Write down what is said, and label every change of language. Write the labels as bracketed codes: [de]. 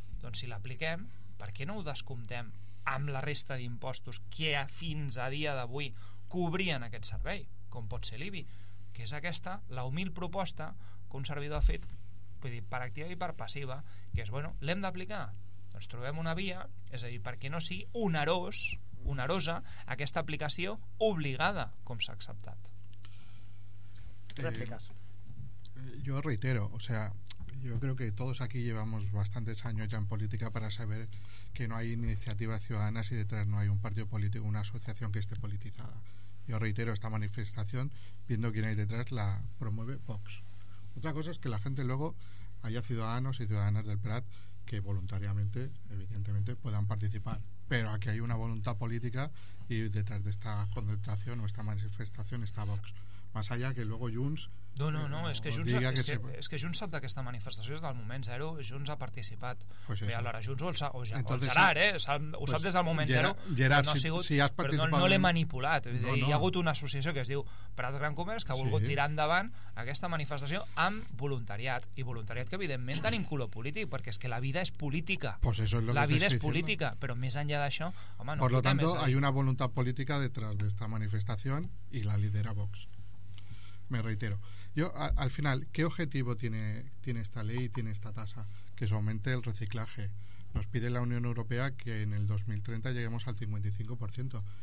[ca] Doncs si l'apliquem, per què no ho descomptem amb la resta d'impostos que fins a dia d'avui cobrien aquest servei, com pot ser l'IBI, que és aquesta, la humil proposta que un servidor ha fet, vull dir, per activa i per passiva, que és, bueno, l'hem d'aplicar. Doncs trobem una via, és a dir, perquè no sigui onerós onerosa aquesta aplicació obligada, com s'ha acceptat. Repliques. [es] Yo reitero, o sea, yo creo que todos aquí llevamos bastantes años ya en política para saber que no hay iniciativa ciudadana si detrás no hay un partido político, una asociación que esté politizada. Yo reitero, esta manifestación, viendo quién hay detrás, la promueve Vox. Otra cosa es que la gente luego haya ciudadanos y ciudadanas del Prat que voluntariamente, evidentemente, puedan participar. Pero aquí hay una voluntad política y detrás de esta concentración o esta manifestación está Vox. Más allá que luego Junts... [ca] No, és que Junts, és que Junts sap d'aquesta manifestació des del moment zero. Junts ha participat. [es] Pues [ca] bé, alhora, Junts ho sap des del moment zero. Gerard, no ha sigut, si has participat... Però no l'he manipulat. No, no. Hi ha hagut una associació que es diu Prat Gran Comerç que ha volgut tirar endavant aquesta manifestació amb voluntariat. I voluntariat que, evidentment, tenim color polític, perquè és que la vida és política. [es] Pues eso es lo la que [ca] vida és política, [es] diciendo. [ca] Però més enllà d'això... No [es] por lo tanto, hay una voluntad política detrás de esta manifestación y la lidera Vox. Me reitero. Yo, al final, ¿qué objetivo tiene esta ley y tiene esta tasa? Que se aumente el reciclaje. Nos pide la Unión Europea que en el 2030 lleguemos al 55%.